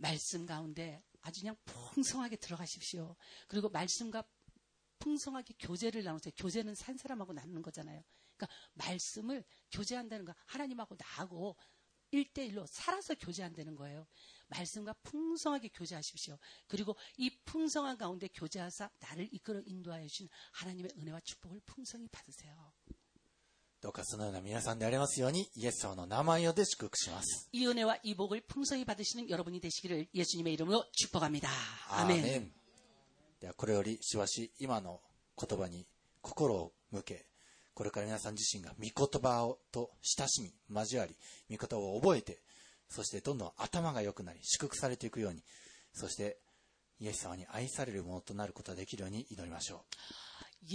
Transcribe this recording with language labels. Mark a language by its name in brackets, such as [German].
[Korean] 말씀가운데아주그냥풍성하게들어가십시오그리고말씀과풍성하게교제를나누세요교제는산사람하고나누는거잖아요그러니까말씀을교제한다는거하나님하고나하고일대일로살아서교제한다는거예요말씀과풍성하게교제하십시오그리고이풍성한가운데교제하사나를이끌어인도하여주신하나님의은혜와축복을풍성히받으세요 [Japanese] どうかそのような皆さんでありますようにイエス様の名前をで祝福します [Korean] 이은혜와이복을풍성히받으시는여러분이되시기를예수님의이름으로축복합니다아멘, 아멘 [Japanese] ではこれよりしばし今の言葉に心を向けこれから皆さん自身が御言葉と親しみ交わり御言葉を覚えてそしてどんどん頭が良くなり祝福されていくようにそしてイエス様に愛されるものとなることができるように祈りましょう